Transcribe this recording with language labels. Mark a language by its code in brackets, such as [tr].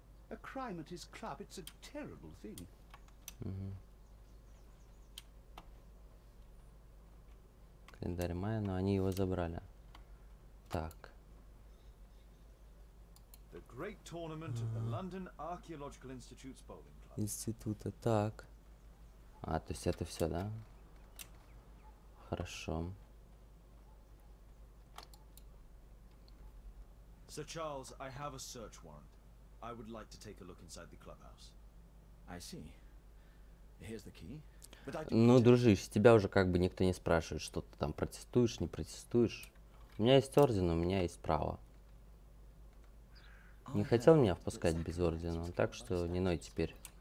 [en] A crime at his club, it's a terrible thing. [ru] Угу. Календарь мая, но они его забрали. Так. [en] The great tournament of the London Archaeological Institute's bowling club. [ru] Института, так. А, то есть это все, да? Хорошо. [en] Sir Charles, I have a search warrant. I would like to take a look inside the clubhouse. I see. Here's the key. But I [ru] ну, дружище, тебя уже как бы никто не спрашивает, что ты там протестуешь, не протестуешь. У меня есть орден, у меня есть право. Не хотел меня впускать без ордена, так что не ной теперь.